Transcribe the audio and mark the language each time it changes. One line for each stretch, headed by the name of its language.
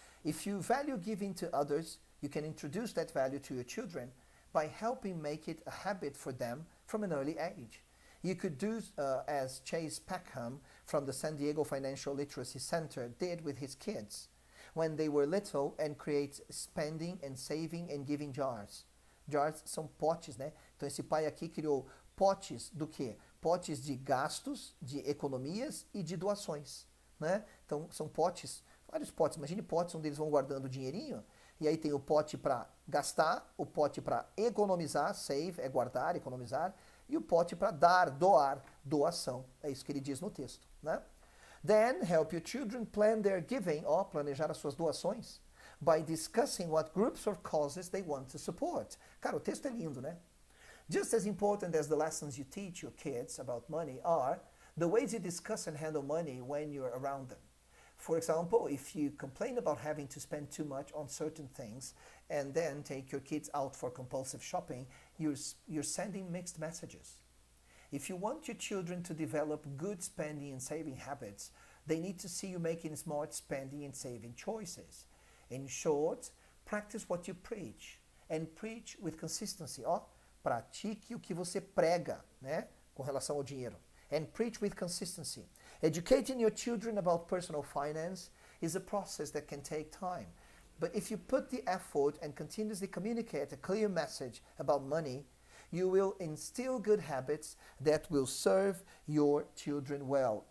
English: If you value giving to others, you can introduce that value to your children by helping make it a habit for them from an early age. You could do as Chase Packham from the San Diego Financial Literacy Center did with his kids when they were little and create spending and saving and giving jars.
Portuguese: Jars são potes, né? Então esse pai aqui criou potes do quê? Potes de gastos, de economias e de doações, né? Então são potes, vários potes. Imagine potes onde eles vão guardando dinheirinho. E aí tem o pote para gastar, o pote para economizar, save é guardar, economizar, e o pote para dar, doar, doação. É isso que ele diz no texto, né?
English: Then help your children plan their giving,
Portuguese: ó, planejar as suas doações,
English: by discussing what groups or causes they want to support.
Portuguese: Cara, o texto é lindo, né?
English: Just as important as the lessons you teach your kids about money are the ways you discuss and handle money when you're around them. For example, if you complain about having to spend too much on certain things and then take your kids out for compulsive shopping, you're sending mixed messages. If you want your children to develop good spending and saving habits, they need to see you making smart spending and saving choices. In short, practice what you preach and preach with consistency.
Portuguese: Oh, pratique o que você prega, né, com relação ao dinheiro.
English: And preach with consistency. Educating your children about personal finance is a process that can take time. But if you put the effort and continuously communicate a clear message about money, you will instill good habits that will serve your children well.